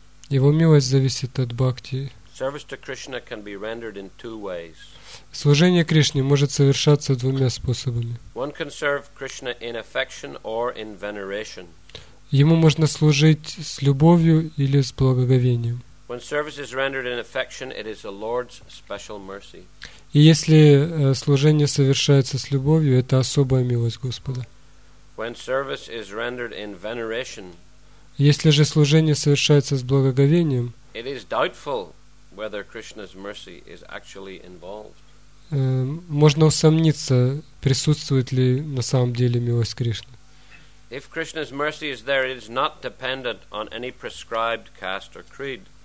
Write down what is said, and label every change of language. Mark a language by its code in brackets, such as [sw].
[ru] Его милость зависит от бхакти. [en] Service to Krishna can be rendered in two ways. [ru] Служение Кришне может совершаться двумя способами. [en] One can serve Krishna in affection or in veneration. [ru] Ему можно служить с любовью или с благоговением. [en] When service is rendered in affection, it is the Lord's special mercy. [ru] И если служение совершается с любовью, это особая милость Господа. [en] When service is rendered in veneration, [ru] если же служение совершается с благоговением, [en] it is doubtful whether Krishna's mercy is actually involved. [ru] Можно усомниться, присутствует ли на самом деле милость Кришны. [en] If Krishna's mercy is there, it is not dependent on any prescribed caste or creed.